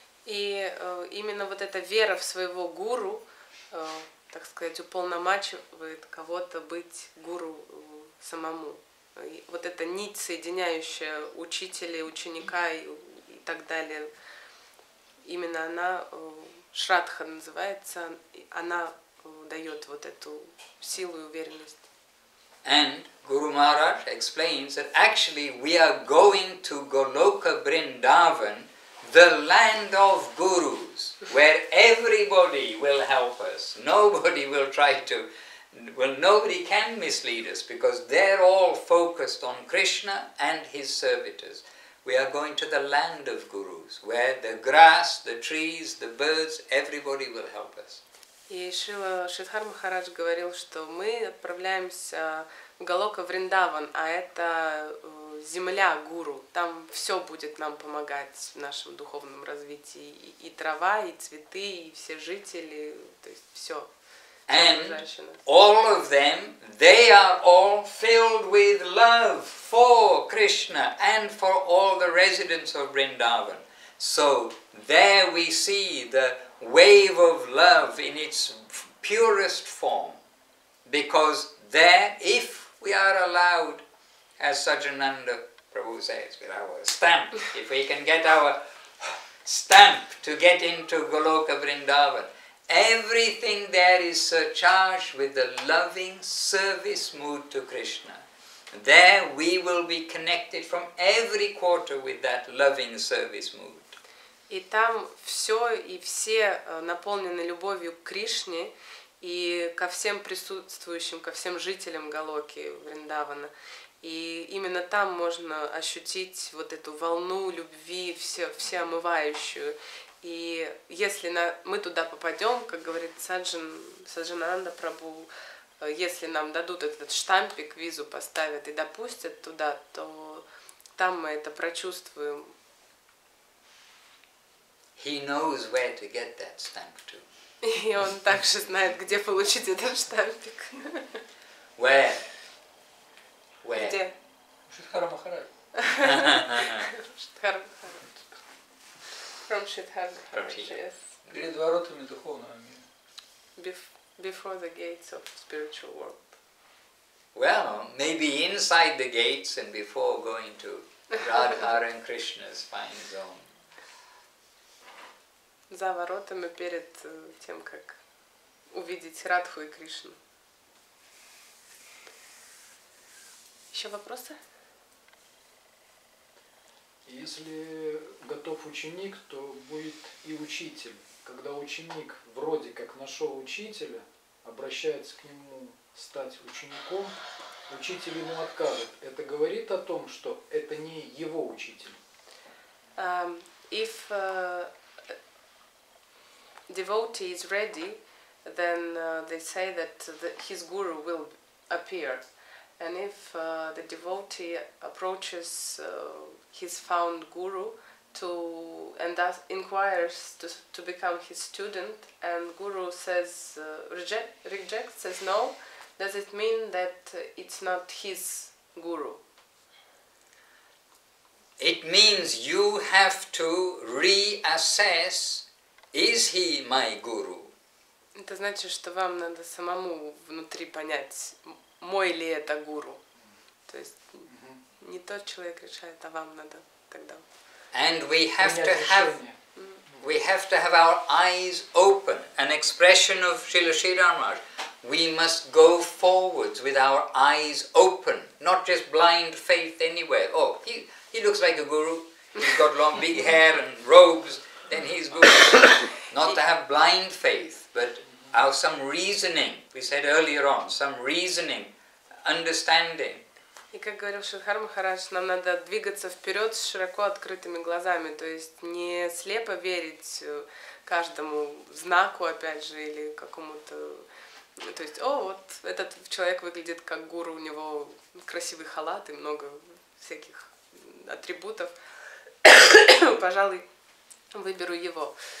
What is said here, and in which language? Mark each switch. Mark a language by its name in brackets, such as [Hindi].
[Russian] И именно вот эта вера в своего гуру, так сказать, уполномачивает кого-то быть гуру самому. И вот эта нить, соединяющая учителя, ученика и так далее, именно она, Шрадха называется, она дает вот эту силу и уверенность. [English] And Guru Maharaj explains that actually we are going to Goloka Vrindavan, the land of gurus, where everybody will help us. Nobody will try to, well, nobody can mislead us because they're all focused on Krishna and his servitors. We are going to the land of gurus, where the grass, the trees, the birds, everybody will help us. [Russian] И Шрила Шридхар Махарадж говорил, что мы отправляемся в Голока Вриндаван, а это земля гуру. Там все будет нам помогать в нашем духовном развитии. И трава, и цветы, и все жители, то есть все. [English] And all of them, they are all filled with love for Krishna and for all the residents of Vrindavan. So there we see the wave of love in its purest form. Because there, if we are allowed, as Sajjananda Prabhu says, with our stamp, if we can get our stamp to get into Goloka Vrindavan, everything there is surcharged with the loving service mood to Krishna. There we will be connected from every quarter with that loving service mood. [Russian] И там все и все наполнены любовью к Кришне и ко всем присутствующим, ко всем жителям Голоки Вриндавана. И именно там можно ощутить вот эту волну любви, все омывающую. И если мы туда попадем, как говорит Саджинананда Прабху, если нам дадут этот штампик, визу поставят и допустят туда, то там мы это прочувствуем. [English] He knows where to get that stamp to. [Russian] И он также знает, где получить этот штампик. [English] Where? [Russian] Где? Шридхара Махарадж. [English] From Shithar, [Russian] перед воротами духовного мира. [English] Before the gates of spiritual world. Well, maybe inside the gates and before going to Radhara and Krishna's fine zone. [Russian] За воротами перед тем, как увидеть Радху и Кришну. Еще вопросы? Если готов ученик, то будет и учитель. Когда ученик вроде как нашел учителя, обращается к нему стать учеником, учитель ему откажет. Это говорит о том, что это не его учитель. [English] If devotee is ready, then they say that his guru will appear. And if the devotee approaches his found guru and inquires to become his student, and guru says reject, says no, does it mean that it's not his guru? It means you have to reassess, is he my guru? [Russian] Это значит, что вам надо самому внутри понять, мой ли это гуру. То есть не тот человек решает, а вам надо тогда. [English] And we have to have our eyes open, an expression of Srila Sridhar Maharaj. We must go forwards with our eyes open, not just blind faith anywhere. Oh, he looks like a guru. He's got long big hair and robes, then he's guru. Not to have blind faith, but our some reasoning, we said earlier on, some reasoning, understanding. [Russian] И как говорил Шридхар Махарадж, нам надо двигаться вперед с широко открытыми глазами, то есть не слепо верить каждому знаку, опять же, или какому-то, то есть, о, вот этот человек выглядит как гуру, у него красивый халат и много всяких атрибутов, пожалуй, выберу его.